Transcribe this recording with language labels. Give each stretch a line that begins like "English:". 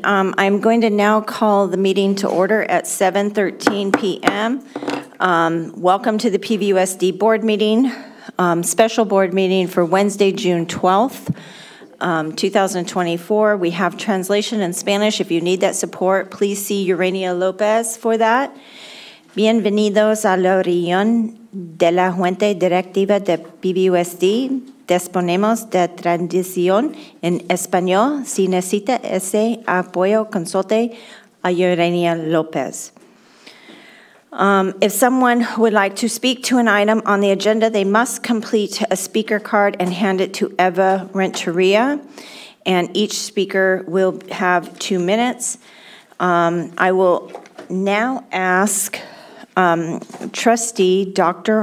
English: I'm going to now call the meeting to order at 7:13 p.m. Welcome to the PVUSD board meeting, special board meeting for Wednesday, June 12th, 2024. We have translation in Spanish. If you need that support, please see Urania Lopez for that.
Spanish: Bienvenidos a la reunión de la Junta Directiva de PVUSD. Disponemos de transición en español. Si necesita ese apoyo, consulte a Urania López.
English: If someone would like to speak to an item on the agenda, they must complete a speaker card and hand it to Eva Renteria. And each speaker will have 2 minutes. I will now ask Trustee Dr.